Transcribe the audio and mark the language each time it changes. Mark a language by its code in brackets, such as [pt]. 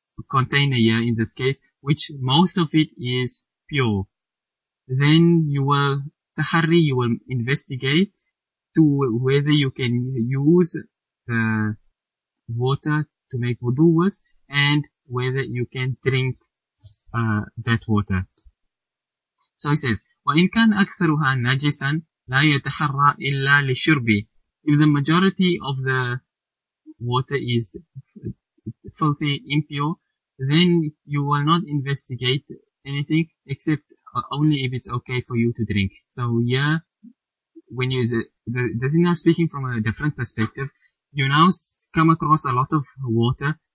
[en] container here in this case which most of it is pure, then you will investigate to whether you can use the water to make wudu with, and whether you can drink that water. So he says, [ar] وَإِنْ كَانْ أَكْثَرُهَا نَجِسًا لَا يَتَحَرَّى إِلَّا لِشُرْبِ. [en] If the majority of the water is filthy, impure, then you will not investigate anything except only if it's okay for you to drink. So yeah, when you this is now speaking from a different perspective, you now come across a lot of water.